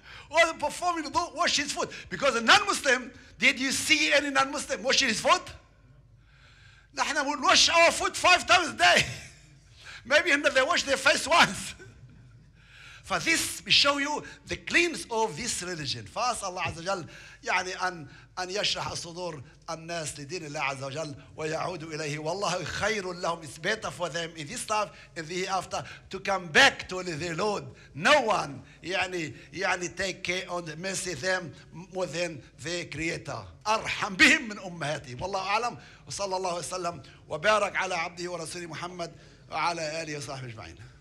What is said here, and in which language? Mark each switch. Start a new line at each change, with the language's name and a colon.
English: Was performing wudu, washing his foot. Because a non-Muslim, did you see any non-Muslim washing his foot? نحن will wash our foot 5 times a day. Maybe they wash their face once. For this, we show you the cleanness of this religion.
Arabic: فأسأل الله عز وجل يعني أن يشرح صدور الناس لدين الله عز وجل ويعود إليه. والله خير لهم.
English: It's better for them in this life, in the hereafter, to come back to the Lord. No one يعني take care and mercy them more than the Creator.
Arabic: أرحم بهم من أمهاتهم. والله أعلم. وصلى الله وسلم وبارك على عبده ورسوله محمد وعلى آله وصحبه أجمعين.